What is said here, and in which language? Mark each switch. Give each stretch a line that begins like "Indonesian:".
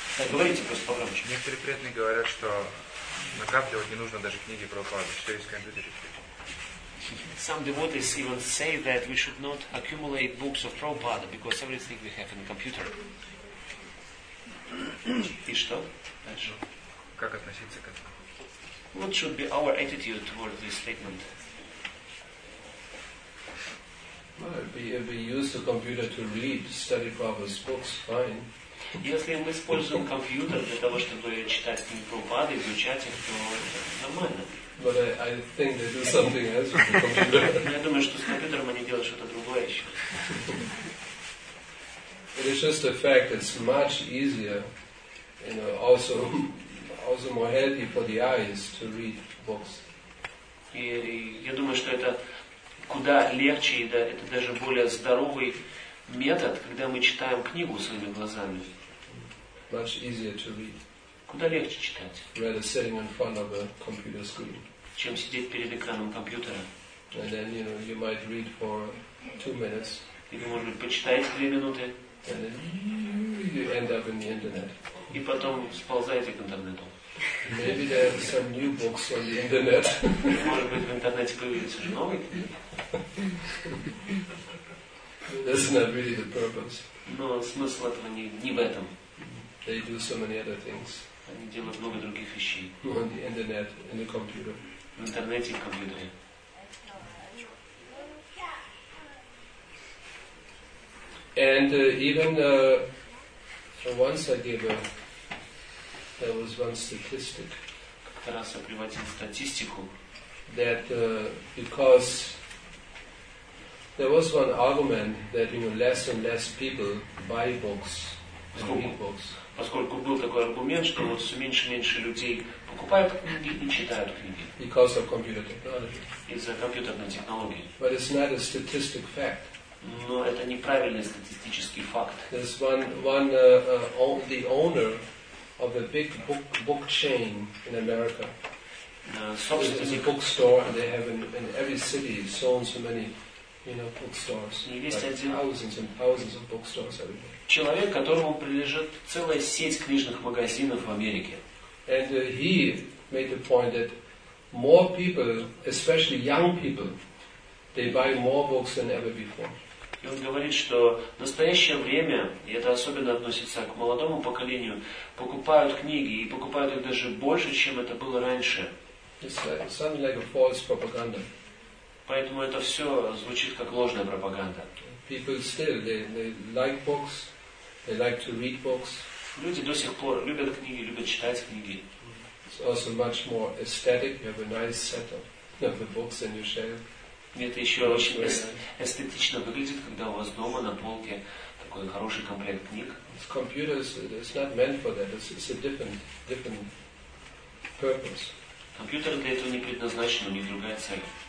Russian: Говорите просто погромче. Некоторые преданные говорят, что накапливать не нужно даже книги Прабхупады, все есть компьютеры.
English: Some devotees even say that we should not accumulate books of Prabhupada because everything we have in the computer.
Russian: И что? Как относиться к этому?
English: What should be our attitude toward this statement? If we use the computer to read, study Prabhupada's books, fine.
Russian: Если мы используем компьютер для того, чтобы читать книги Прабхупады, изучать их, то нормально.
English: But I think they do something else with the computer.
Russian: Я думаю, что с компьютером они делают что-то другое еще.
English: It is just a fact that it's much easier, you know, also more healthy for the eyes to read books.
Russian: И я думаю, что это куда легче, и да, это даже более здоровый метод, когда мы читаем книгу своими глазами.
English: Much easier to read.
Russian: Куда легче читать.
English: Rather sitting in front of a computer screen.
Russian: Чем сидеть перед экраном компьютера.
English: And then, you know, you might read for 2 minutes.
Russian: И вы, может быть, почитаете 2 минуты.
English: And then you end up in the internet.
Russian: И потом сползаете к интернету.
English: Maybe there are some new books on the internet.
Russian: Может быть, в интернете появились уже новые книги.
English: That's not really the purpose.
Russian: Но смысл этого не в этом.
English: They do so many other things.
Russian: Они делают много других вещей.
English: On the internet, in the computer.
Russian: В интернете и в компьютере.
English: And even once I gave a there was one statistic.
Russian: Как-то раз я приводил статистику.
English: That because there was one argument that, you know, less and less people buy books and read books.
Russian: Поскольку был такой аргумент, что вот все меньше и меньше людей покупают книги и читают книги.
English: Because of computer technology.
Russian: Из-за компьютерной технологии.
English: But it's not a statistic fact.
Russian: Но это неправильный статистический факт.
English: There's one the owner of a big book chain in America.
Russian: Собственно,
English: it's a bookstore, and they have in every city so and so many. You know, bookstores.
Russian: Есть
English: like thousands and thousands of bookstores everywhere.
Russian: Человек, которому принадлежит целая сеть книжных магазинов в Америке.
English: And he made the point that more people, especially young people, they buy more books than ever before.
Russian: И он говорит, что в настоящее время, и это особенно относится к молодому поколению, покупают книги и покупают их даже больше, чем это было раньше.
English: It's something like a false propaganda.
Russian: Поэтому это все звучит как ложная пропаганда.
English: People still they like books, they like to read books.
Russian: Люди до сих пор любят книги, любят читать книги.
English: It's also much more aesthetic. You have a nice set of the books on your shelf.
Russian: Это еще очень эстетично выглядит, когда у вас дома на полке такой хороший комплект книг.
English: It's computers. It's not meant for that. It's a different purpose.
Russian: Компьютеры для этого не предназначены, у них другая цель.